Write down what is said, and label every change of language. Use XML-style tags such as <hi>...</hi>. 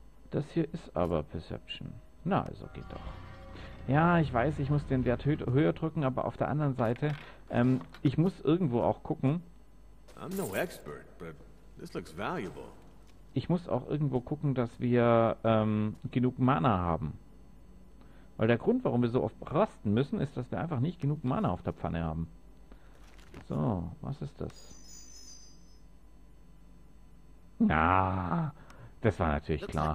<de>Das hier ist aber Perception. Na, also geht doch. Ja, ich weiß, ich muss den Wert höher drücken, aber auf der anderen Seite, ich muss irgendwo auch gucken.</de> <en>I'm no expert, but this looks valuable.</en> <de>Ich muss auch irgendwo gucken, dass wir genug Mana haben. Weil der Grund, warum wir so oft rasten müssen, ist, dass wir einfach nicht genug Mana auf der Pfanne haben. So, was ist das? Na, ah, das war natürlich klar.</de>